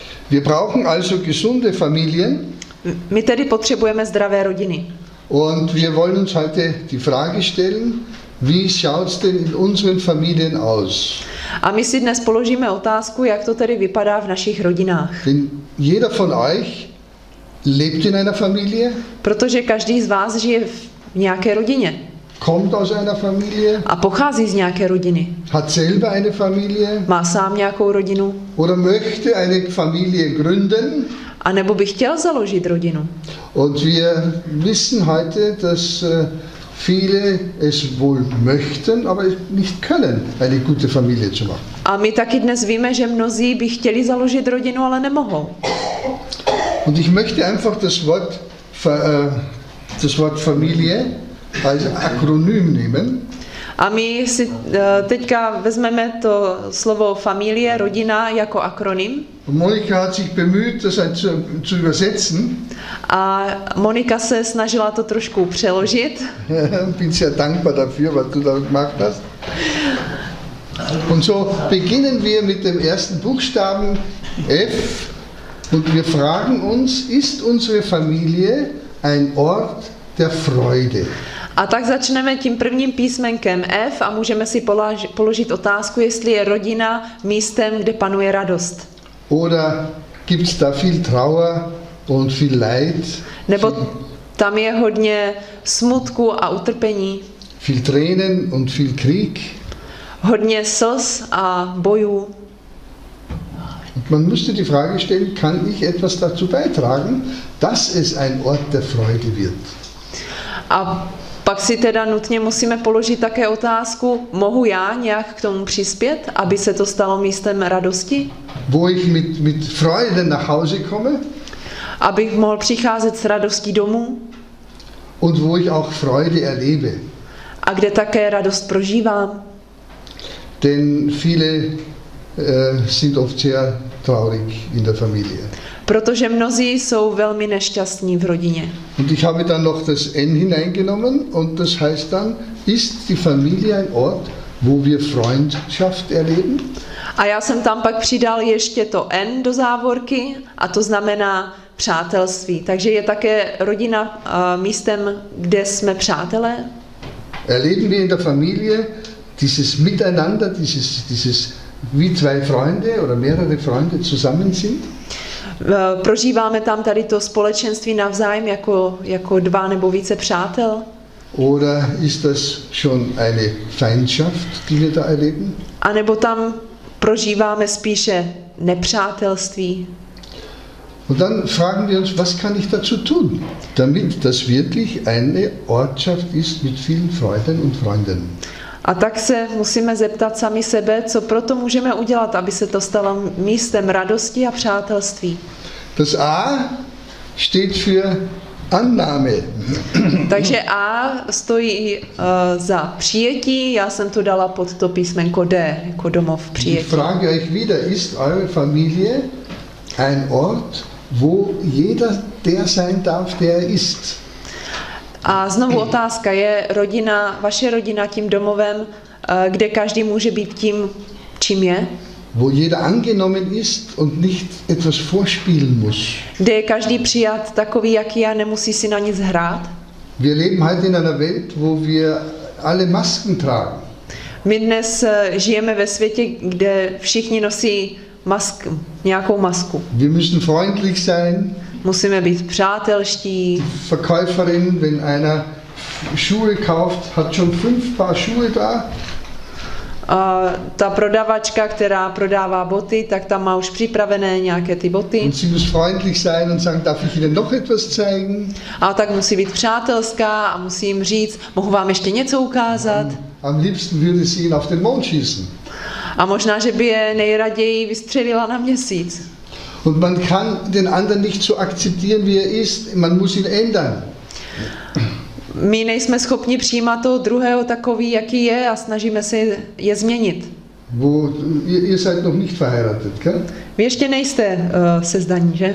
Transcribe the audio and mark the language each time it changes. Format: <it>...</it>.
<de>Wir brauchen also gesunde Familien.</de> <cs>My tedy potřebujeme zdravé rodiny.</cs> <de>Und wir wollen uns heute die Frage stellen, Wie schaut's denn in unseren Familien aus?</de> <cs>A my si dnes položíme otázku, jak to tedy vypadá v našich rodinách.</cs> <de>Denn jeder von euch lebt in einer Familie?</de> <cs>Protože každý z vás žije v nějaké rodině.</cs> <de>Kommt aus einer Familie?</de> <cs>A pochází z nějaké rodiny.</cs> <de>Hat selber eine Familie?</de> <cs>Má sám nějakou rodinu?</cs> <de>Oder möchte eine Familie gründen?</de> <cs>A nebo by chtěl založit rodinu?</cs> <de>Und wir wissen heute, dass viele es wohl möchten, aber nicht können, eine gute Familie zu machen.</de> <cs>A my taky dnes víme, že mnozí by chtěli založit rodinu, ale nemohou.</cs> <de>Und ich möchte einfach das Wort Familie als Akronym nehmen.</de> <cs>A my si teďka vezmeme to slovo familie, rodina, jako akronym.</cs> <de>Monika hat sich bemüht, das zu übersetzen.</de> <cs>A Monika se snažila to trošku přeložit.</cs> <de>Bin sehr dankbar dafür, was du da gemacht hast. Und so beginnen wir mit dem ersten Buchstaben F. Und wir fragen uns, ist unsere Familie ein Ort der Freude?</de> <cs>A tak začneme tím prvním písmenkem F a můžeme si položit otázku, jestli je rodina místem, kde panuje radost.</cs> <de>Oder gibt's da viel Trauer und viel Leid?</de> <cs>Nebo tam je hodně smutku a utrpení?</cs> <de>Viel Tränen und viel Krieg?</de> <cs>Hodně slz a bojů.</cs> <de>Und man müsste die Frage stellen, kann ich etwas dazu beitragen, dass es ein Ort der Freude wird?</de> <cs>A pak si teda nutně musíme položit také otázku, mohu já nějak k tomu přispět, aby se to stalo místem radosti?</cs> <de>Wo ich mit Freude nach Hause komme?</de> <cs>Abych mohl přicházet s radostí domů?</cs> <de>Und wo ich auch Freude erlebe?</de> <cs>A kde také radost prožívám?</cs> <de>Denn viele sind oft sehr traurig in der Familie.</de> <cs>Protože mnozí jsou velmi nešťastní v rodině.</cs> <de>Und ich habe dann noch das N hineingenommen und das heißt dann, ist die Familie ein Ort, wo wir Freundschaft erleben?</de> <cs>A já jsem tam pak přidal ještě to N do závorky a to znamená přátelství. Takže je také rodina místem, kde jsme přátelé?</cs> <de>Erleben wir in der Familie dieses Miteinander, dieses wie zwei Freunde oder mehrere Freunde zusammen sind?</de> <cs>Prožíváme tam tady to společenství navzájem jako dva nebo více přátel?</cs> <de>Oder ist das schon eine Feindschaft, die wir da erleben?</de> <cs>A nebo tam prožíváme spíše nepřátelství?</cs> <de>Und dann fragen wir uns, was kann ich dazu tun, damit das wirklich eine Ortschaft ist mit vielen Freuden und Freunden?</de> <cs>A tak se musíme zeptat sami sebe, co proto můžeme udělat, aby se to stalo místem radosti a přátelství.</cs> <de>Das A steht für Annahme.</de> <cs>Takže A stojí za přijetí, já jsem tu dala pod to písmenko D, jako domov přijetí.</cs> <de>Ich frage euch wieder, ist eure Familie ein Ort, wo jeder der sein darf, der ist?</de> <cs>A znovu otázka, je rodina, vaše rodina tím domovem, kde každý může být tím, čím je?</cs> <de>Wo jeder angenommen ist und nicht etwas vorspielen muss.</de> <cs>Kde je každý přijat takový, jaký je, nemusí si na nic hrát?</cs> <de>Wir leben halt in einer Welt, wo wir alle Masken tragen.</de> <cs>My dnes žijeme ve světě, kde všichni nosí masku, nějakou masku.</cs> <de>Wir müssen freundlich sein.</de> <cs>Musíme být přátelští.</cs> <de>Verkäuferin, wenn einer Schuhe kauft, hat schon 5 Paar Schuhe da.</de> <cs>Ta prodavačka, která prodává boty, tak tam má už připravené nějaké ty boty.</cs> <de>Und sie muss freundlich sein und sagen, darf ich Ihnen noch etwas zeigen?</de> <cs>A tak musí být přátelská a musí jim říct, mohu vám ještě něco ukázat.</cs> <de>Am liebsten würde sie ihn auf den Mond schießen.</de> <cs>A možná, že by je nejraději vystřelila na měsíc.</cs> <de>Und man kann den anderen nicht so akzeptieren, wie er ist, man muss ihn ändern.</de> <cs>My nejsme schopni přijímat toho druhého takový, jaký je, a snažíme se je změnit.</cs> <de>Ihr seid noch nicht verheiratet, gell?</de> <cs>Vy ještě nejste sezdaní, že?</cs>